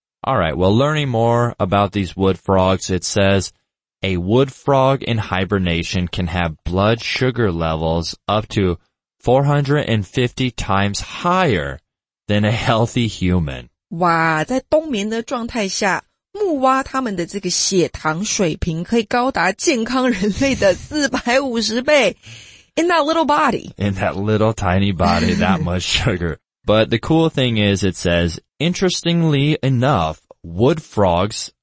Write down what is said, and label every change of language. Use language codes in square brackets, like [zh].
[en] Alright, well, learning more about these wood frogs, it says,A wood frog in hibernation can have blood sugar levels up to 450 times higher than a healthy human. [zh] 哇，在冬眠的状态下，木蛙它们的这个血糖水平可以高达健康人类的450倍。 [en] In that little body. In that little tiny body, that much sugar. But the cool thing is, it says, interestingly enough, wood frogs...